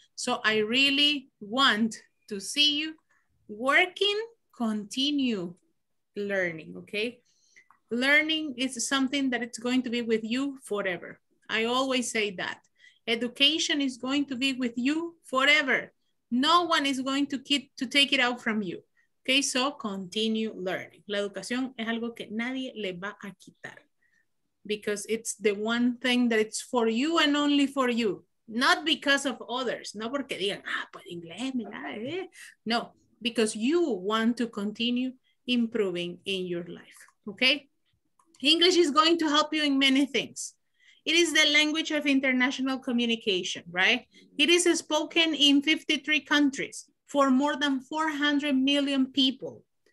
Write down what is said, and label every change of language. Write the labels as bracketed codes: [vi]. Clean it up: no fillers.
[en] So I really want to see you working, continue learning, okay? Learning is something that it's going to be with you forever. I always say that. Education is going to be with you forever. No one is going to take it out from you. Okay, so continue learning. [es] La educación es algo que nadie le va a quitar. [en] Because it's the one thing that it's for you and only for you. Not because of others. [es] No porque digan, ah, pues inglés, mira, eh. [en] No, because you want to continue improving in your life. Okay? English is going to help you in many things. It is the language of international communication, right? It is spoken in 53 countries for more than 400 million people.